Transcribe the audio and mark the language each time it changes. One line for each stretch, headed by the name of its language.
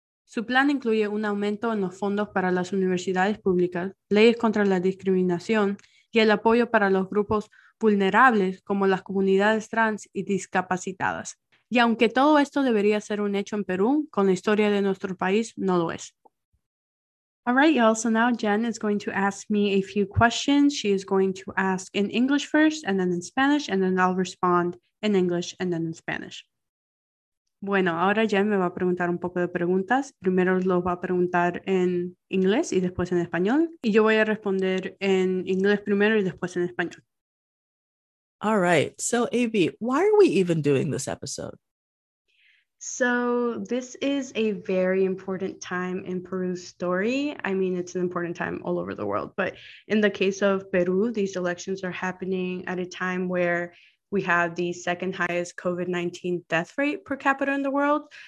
Spanish: Su plan incluye un aumento en los fondos para las universidades públicas, leyes contra la discriminación y el apoyo para los grupos vulnerables como las comunidades trans y discapacitadas. Y aunque todo esto debería ser un hecho en Perú, con la historia de nuestro país, no lo es.
English: All right, y'all. So now Jen is going to ask me a few questions. She is going to ask in English first and then in Spanish, and then I'll respond in English and then in Spanish.
Spanish: Bueno, ahora Jen me va a preguntar un poco de preguntas. Primero lo va a preguntar en inglés y después en español. Y yo voy a responder en inglés primero y después en español.
English: All right. So, AB, why are we even doing this episode? So, this is a very important time in Peru's story. I mean, it's an important time all over the world. But in the case of Peru, these elections are happening at a time where we have the second highest COVID-19 death rate per capita in the world.